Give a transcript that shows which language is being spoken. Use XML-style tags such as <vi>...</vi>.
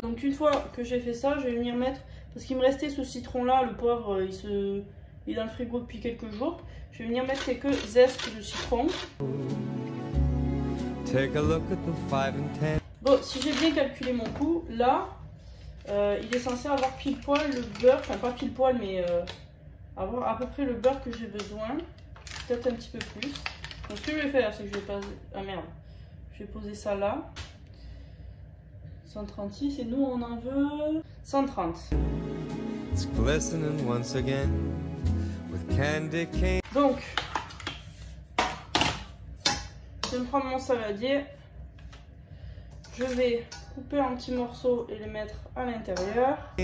<fr>Donc une fois que j'ai fait ça, je vais venir mettre. Parce qu'il me restait ce citron-là, le pauvre, il est dans le frigo depuis quelques jours. Je vais venir mettre quelques zestes de citron.</fr> <en>Take a look at the five and ten.</en> <fr>Bon, si j'ai bien calculé mon coût, là, il est censé avoir pile poil le beurre, enfin pas pile poil, mais avoir à peu près le beurre que j'ai besoin. Peut-être un petit peu plus. Donc ce que je vais faire, c'est que je vais passer... Ah merde, je vais poser ça là. 136 et nous on en veut 130.</fr> <en>It's glistening once again with candy cane.</en> <fr>Donc, je vais me prendre mon saladier. Je vais couper en petits morceaux et les mettre à l'intérieur.</fr>